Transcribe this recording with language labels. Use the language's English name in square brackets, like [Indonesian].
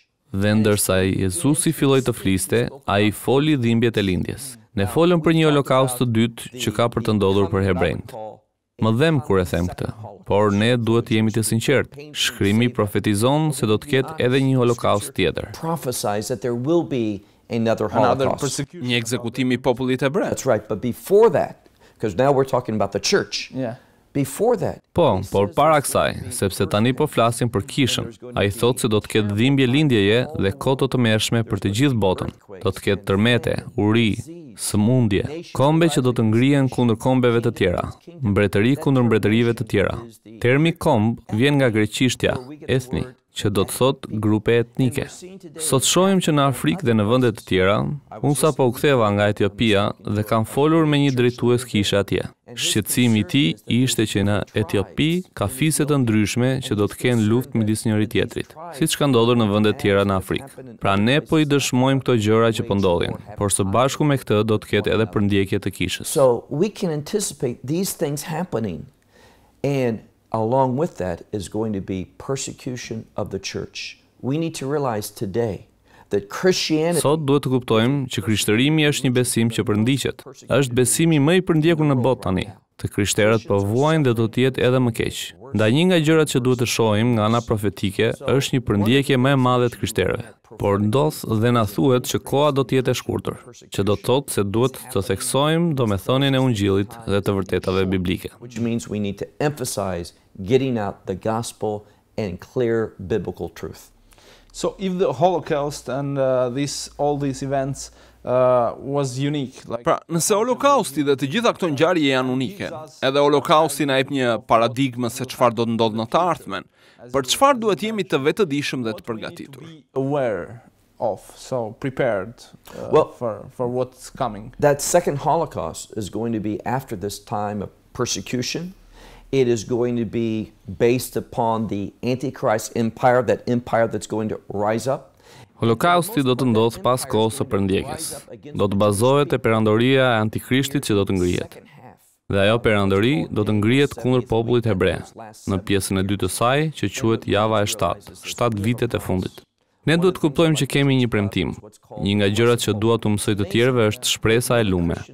[Albanian] Dhe ndërsa Jezusi filloi të fliste, ai foli dhimbjet e lindjes. Ne folëm për një holokaust të dytë që ka për të ndodhur për hebrejt. Më dhem kur e them këtë, por ne duhet të jemi të sinqertë. Shkrimi profetizon se do të ketë edhe një holokaust tjetër. Një ekzekutim i popullit hebrej. [English] That's right, but before that, because now we're talking about the church. Yeah. [Albanian] Po, por para kësaj, sepse tani po flasim për kishën, ai thotë se do të ketë dhimbje lindjeje dhe koto të mërshme për të gjithë botën. Do të ketë tërmete, uri, sëmundje, kombe që do të ngrihen kundër kombeve të tjera, mbretëri kundër mbretërive të tjera. Termi komb vjen nga greqishtja, ethni, që do të thotë grupe etnike. Sot shohim që në Afrikë dhe në vendet të tjera, unë sa po u ktheva nga Etiopia dhe kam folur me një drejtues kishe atje. Shqetësimi i tij ishte që në Etiopi ka fise të ndryshme që do të kenë luftë midis njëri tjetrit, siç ka ndodhur në vende të tjera në Afrikë. Pra ne po i dëshmojmë këto gjëra që po ndodhin, por së bashku me këtë do të ketë edhe përndjekje të kishës. [English] So we can anticipate these things happening and along with that is going to be persecution of the church. We need to realize today that Christianity. [Albanian] Sot duhet të kuptojmë që krishterimi është një besim që përndiqet. Është besimi më i përndjekur në botë tani. Të krishterët po vuajnë dhe do të jetë edhe më keq. Ndaj një nga gjërat që duhet të shohim nga ana profetike është një përndjekje më e madhe të krishterëve. Por ndodh dhe na thuhet që koha do të jetë e shkurtër, që do të thotë se duhet të theksojmë domethënien e Ungjillit dhe të vërtetave biblike. [English] Which means we need to emphasize getting out the gospel and clear biblical truth. So if the Holocaust and all these events was unique. [Albanian] Pra, nëse Holokausti dhe të gjitha këto ngjarje janë unike, edhe Holokausti na jep një paradigmë se çfarë do të ndodhë në të ardhmen. Për çfarë duhet jemi të vetëdijshëm dhe të përgatitur? [English] Aware of, so prepared for what's coming. That second Holocaust is going to be after this time of persecution. It is going to be based upon the Antichrist empire, that empire that's going to rise up. [Albanian] Holokausti do të ndodhë pas kohës së përndjekjes. Do të bazohet e perandoria e Antikristit që do të ngrihet. Dhe ajo perandori do të ngrihet kundër popullit hebre, në pjesën e dytë të saj që quhet java e 7, 7 vitet e fundit. Ne duhet të kuptojmë që kemi një premtim. Një nga gjërat që dua t'u mësoj të tjerëve është shpresa e lume.